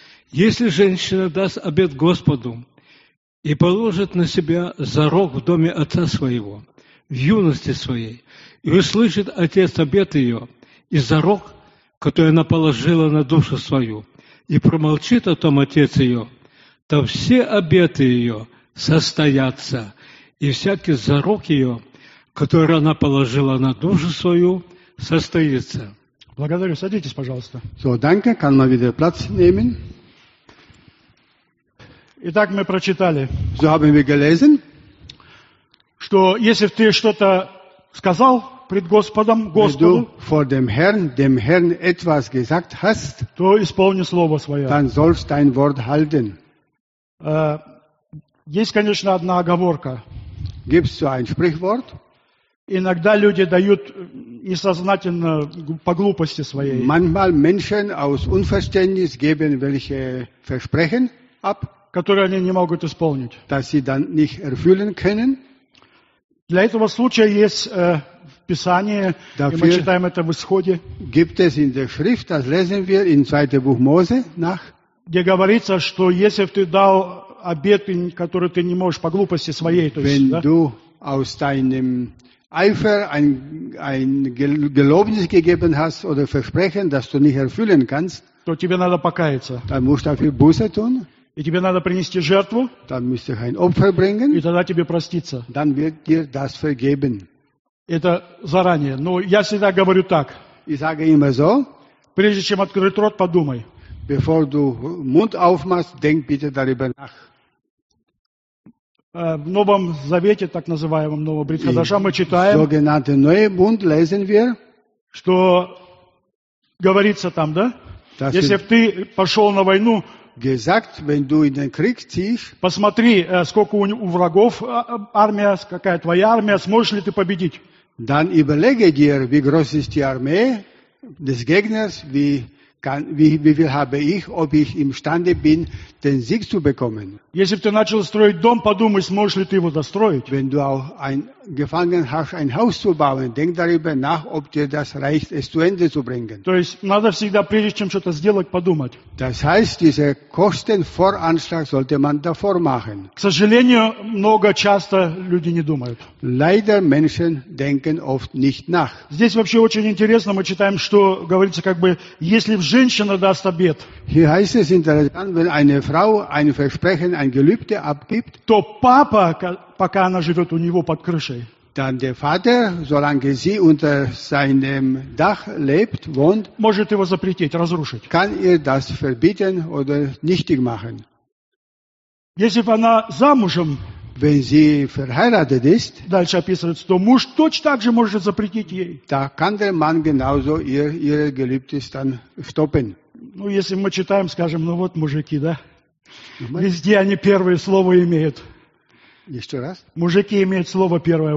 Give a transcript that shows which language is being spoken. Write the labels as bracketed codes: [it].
[ru] Если женщина даст обет Господу и положит на себя зарок в доме отца своего, в юности своей, и услышит отец обет ее и зарок, который она положила на душу свою, и промолчит о том отец ее, то все обеты ее состоятся, и всякий зарок ее, который она положила на душу свою, состоится. Благодарю. Садитесь, пожалуйста. [de] So, danke. Kann man wieder Platz nehmen? [ru] Итак, мы прочитали, [de] so haben wir gelesen, [ru] что если ты что-то сказал пред Господом, Господу, [de] wenn du vor dem Herrn etwas gesagt hast, [ru] то исполни слово свое. [de] Dann sollst dein Wort halten. [ru] Есть, конечно, одна оговорка. [de] Gibt's so ein Sprichwort? [ru] Иногда люди дают несознательно по глупости своей. [de] Manchmal Menschen aus Unverständnis geben welche Versprechen ab, [ru] которые они не могут исполнить. [de] Dass sie dann nicht erfüllen können. [ru] Для этого случая есть в Писании, [de] dafür, [ru] и мы читаем это в Исходе. [de] Gibt es in der Schrift, das lesen wir in 2. Buch Mose nach, [ru] где говорится, что если ты дал обет, который ты не можешь по глупости своей, то [de] wenn [ru] есть, [de] du [ru] да, [de] aus deinem Eifer ein Gelobnis gegeben hast oder Versprechen, das du nicht erfüllen kannst, [ru] то тебе надо покаяться. [de] Dann musst du dafür Buße tun. [ru] И тебе надо принести жертву. [de] Dann musst du ein Opfer bringen. [ru] И тогда тебе простится. [de] Dann wird dir das vergeben. [ru] Это заранее. Но я всегда говорю так. [de] Ich sage immer so. [ru] Прежде чем открыть рот, подумай. [de] Bevor du Mund aufmachst, denk bitte darüber nach. [ru] В Новом Завете, так называемом Новом Брит Хадаша, мы читаем, [de] sogenannte Neue Bund lesen wir, [ru] что говорится там, да? [de] Dass [ru] если ты пошел на войну, [de] gesagt, wenn du in den Krieg ziehst, [ru] посмотри, сколько у врагов армия, какая твоя армия, сможешь ли ты победить? [de] Dann überlege dir, wie groß ist die Armee des Gegners, wie viel habe ich, ob ich imstande bin, den Sieg zu bekommen. [ru] Если ты начал строить дом, подумай, сможешь ли ты его достроить? [de] Wenn du auch einen Gefangenen hast, ein Haus zu bauen, denk darüber nach, ob dir das reicht, es zu Ende zu bringen. [ru] То есть надо всегда, прежде чем что-то сделать, подумать. [de] Das heißt, diese Kostenvoranschlag sollte man davor machen. [ru] К сожалению, много часто люди не думают. [de] Leider Menschen denken oft nicht nach. [ru] Здесь вообще очень интересно, мы читаем, что говорится, как бы, если женщина даст обет. [de] Hier heißt es interessant, wenn eine Frau ein Versprechen, ein Gelübde abgibt, [ru] то папа, пока она живет у него под крышей, [de] dann der Vater, solange sie unter seinem Dach lebt, wohnt, [ru] может его запретить, разрушить, [de] kann ihr das verbieten oder nichtig machen. [ru] Если она замужем, [de] wenn sie verheiratet ist, [ru] дальше описывается, то муж точно так же может запретить ей, [de] da kann der Mann genauso ihre Gelübde dann stoppen. [ru] Ну, если мы читаем, скажем, ну вот мужики, да? Везде они первое слово имеют. Еще раз. Мужики имеют слово первое.